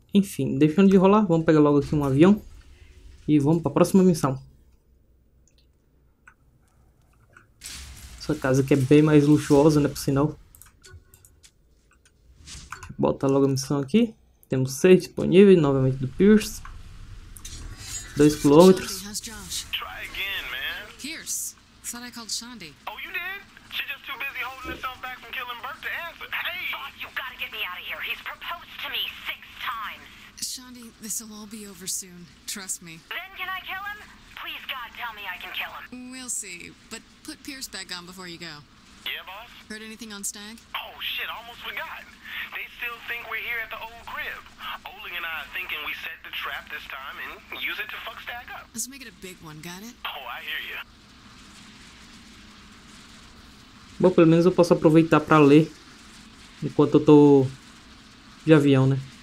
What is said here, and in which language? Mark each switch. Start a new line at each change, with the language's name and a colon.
Portuguese: Enfim, deixando de rolar, vamos pegar logo aqui um avião. E vamos para a próxima missão. Essa casa aqui é bem mais luxuosa, né, por sinal. Bota logo a missão aqui. Temos seis disponíveis, novamente do Pierce. 2 km.
English: How's Josh? Try again, man. Pierce, thought I called Shandy. Oh, you did? She's just too busy holding herself back from killing Bert to answer. Hey! Boss, you've got to get me out of here. He's proposed to me 6 times. Shandy, this will all be over soon. Trust me. Then can I kill him? Please, God, tell me I can kill him. We'll see. But put Pierce back on before you go. Yeah, boss? Heard anything on Stag? Oh, shit, almost forgot. They still think we're here at the old crib. Oling and I are thinking we set the trap this time and use it to fuck Stag up. Let's make it a big one, got it? Oh, I hear you.
Portuguese: Bom, pelo menos eu posso aproveitar pra ler enquanto eu tô de avião, né?